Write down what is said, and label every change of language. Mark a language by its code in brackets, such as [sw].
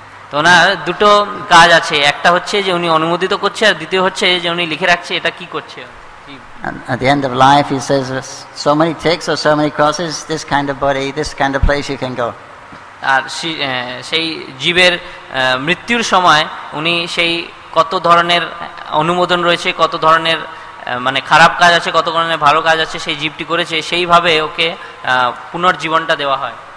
[bn] তো ওনার দুটো কাজ আছে, একটা হচ্ছে যে উনি অনুমোদিত করছে, আর দ্বিতীয় হচ্ছে যে উনি লিখে রাখছে এটা কি করছে. [en] At the end of life he says so many ticks or so many crosses, this kind of body, this kind of place you can go. [bn] আর সেই জীবের মৃত্যুর সময় উনি সেই কত ধরনের অনুমোদন রয়েছে, কত ধরনের মানে খারাপ কাজ আছে, কত ধরনের ভালো কাজ আছে সেই জীবটি করেছে, সেইভাবে ওকে পুনর্জীবনটা দেওয়া হয়.